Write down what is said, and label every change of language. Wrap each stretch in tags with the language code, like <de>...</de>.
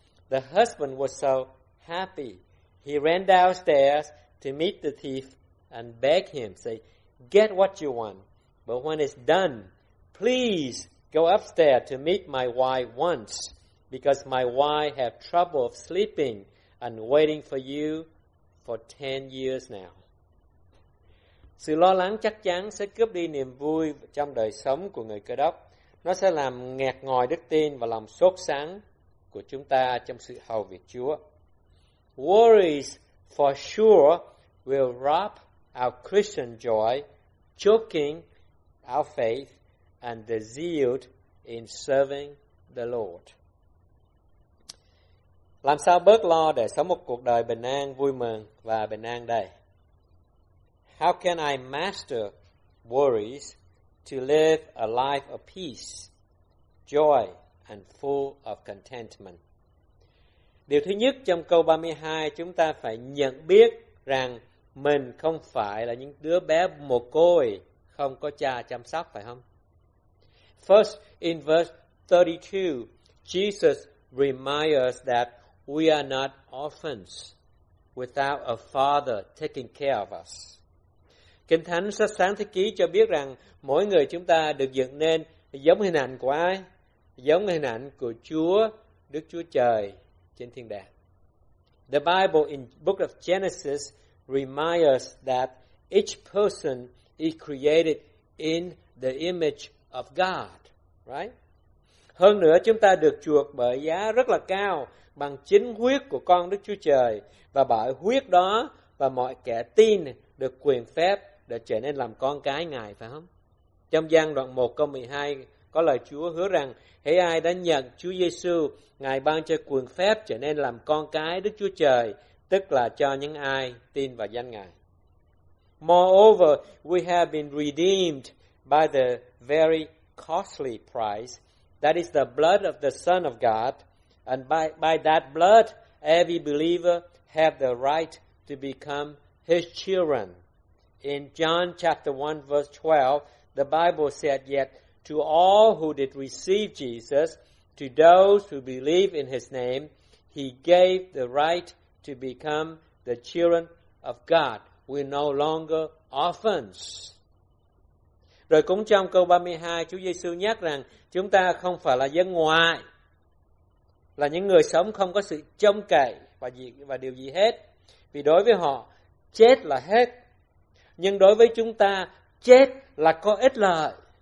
<en>The husband was so happy. He ran downstairs to meet the thief and beg him, say, get what you want, but when it's done, please go upstairs to meet my wife once, because my wife has trouble of sleeping and waiting for you for 10 years now.</en> <vi>Sự lo lắng chắc chắn sẽ cướp đi niềm vui trong đời sống của người Cơ Đốc. Nó sẽ làm nghẹt ngòi đức tin và lòng sốt sáng của chúng ta trong sự hầu việc Chúa.</vi> <en>Worries for sure will rob our Christian joy, choking our faith and the zeal in serving the Lord.</en> <vi>Làm sao bớt lo để sống một cuộc đời bình an, vui mừng và bình an đây?</vi> <en>How can I master worries to live a life of peace, joy, and full of contentment?</en> <vi>Điều thứ nhất trong câu 32, chúng ta phải nhận biết rằng mình không phải là những đứa bé mồ côi, không có cha chăm sóc, phải không?</vi> <en>First, in verse 32, Jesus reminds us that we are not orphans without a father taking care of us.</en> <vi>Kinh Thánh sách Sáng Thế Ký cho biết rằng mỗi người chúng ta được dựng nên giống hình ảnh của ai? Giống hình ảnh của Chúa, Đức Chúa Trời trên thiên đàng.</vi> <en>The Bible in Book of Genesis reminds us that each person is created in the image of God, right?</en> <vi>Hơn nữa, chúng ta được chuộc bởi giá rất là cao, bằng chính huyết của con Đức Chúa Trời, và bởi huyết đó và mọi kẻ tin được quyền phép để trở nên làm con cái Ngài, phải không? Trong Giăng đoạn 1 câu 12 có lời Chúa hứa rằng hễ ai đã nhận Chúa Giêsu, Ngài ban cho quyền phép trở nên làm con cái Đức Chúa Trời, tức là cho những ai tin vào danh Ngài.</vi> <en>Moreover, we have been redeemed by the very costly price, that is the blood of the Son of God, and by that blood, every believer have the right to become his children. In John chapter 1 verse 12, the Bible said, yet to all who did receive Jesus, to those who believe in his name, he gave the right to become the children of God. We're no longer orphans.</en> <vi>Rồi cũng trong câu 32, Chúa Giêsu nhắc rằng chúng ta không phải là dân ngoại, là những người sống không có sự trông cậy và điều gì hết. Vì đối với họ, chết là hết. Nhưng đối với chúng ta, chết là có ích lợi.</vi>